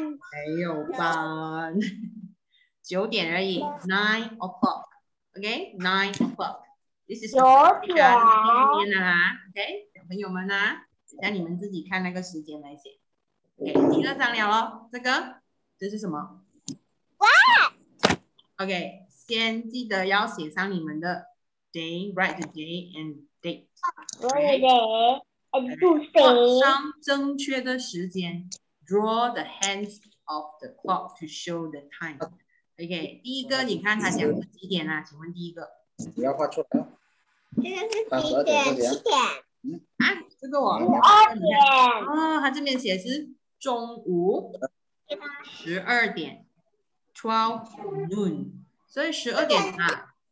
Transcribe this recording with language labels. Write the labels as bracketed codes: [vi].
[zh] 没有半，9点而已 [en] ，9 o'clock， OK， 9 o'clock， This is [zh] 9点啊 ，OK， 小朋友们啊，那你们自己看那个时间来写 ，OK， 第二张了哦，这个这是什么？哇 [en] ，OK， [zh] 先记得要写上你们的 [en] day， write the day and date， write day。 [zh] 画上正确的时间 [en] ，draw the hands of the clock to show the time。 [zh] OK， 第一个你看他讲的几点啊？请问第一个？你要画错了。现在是几点？嗯啊，这个我 12点。哦，他这边写是中午12点 ， [en] 12 noon， [zh] 所以12点啊。